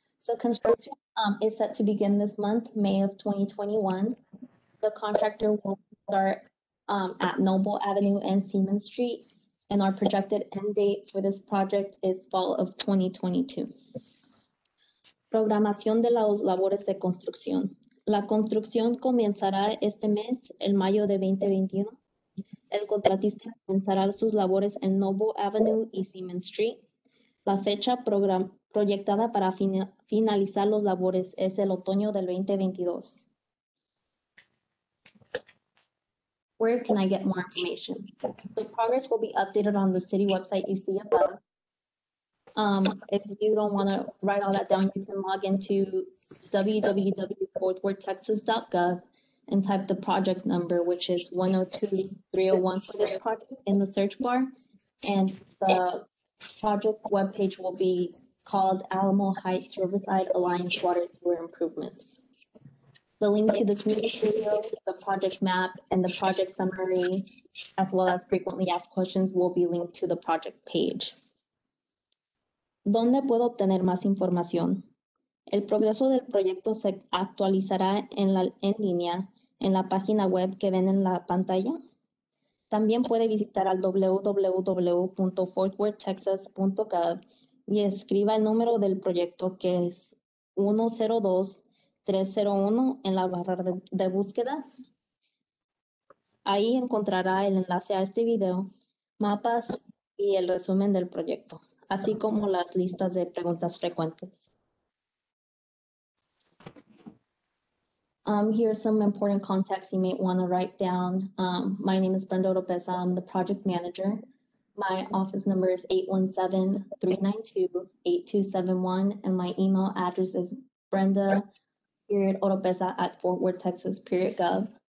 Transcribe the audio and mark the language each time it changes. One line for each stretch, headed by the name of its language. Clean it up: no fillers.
English: So construction is set to begin this month, May of 2021. The contractor will start at Noble Avenue and Seaman Street, and our projected end date for this project is fall of 2022.
Spanish: Programación de las labores de construcción. La construcción comenzará este mes, el mayo de 2021. El contratista comenzará sus labores en Noble Avenue y Seaman Street. La fecha proyectada para finalizar los labores es el otoño del 2022.
English: Where can I get more information? The progress will be updated on the city website you see above. If you don't want to write all that down, you can log into www.fortworthtexas.gov and type the project number, which is 102301 for this project in the search bar. And the project webpage will be called Alamo Heights Riverside Alliance Water Sewer Improvements. The link to this meeting video, the project map, and the project summary, as well as frequently asked questions, will be linked to the project page.
Spanish: ¿Dónde puedo obtener más información? El progreso del proyecto se actualizará en línea en la página web que ven en la pantalla. También puede visitar al www.fortworthtexas.gov y escriba el número del proyecto, que es 102301, en la barra de búsqueda. Ahí encontrará el enlace a este video, mapas y el resumen del proyecto, así como las listas de preguntas frecuentes.
English: Here's some important context you may want to write down. My name is Brenda Oropesa. I'm the project manager. My office number is 817-392-8271, and my email address is brenda.oropesa@fortworthtexas.gov.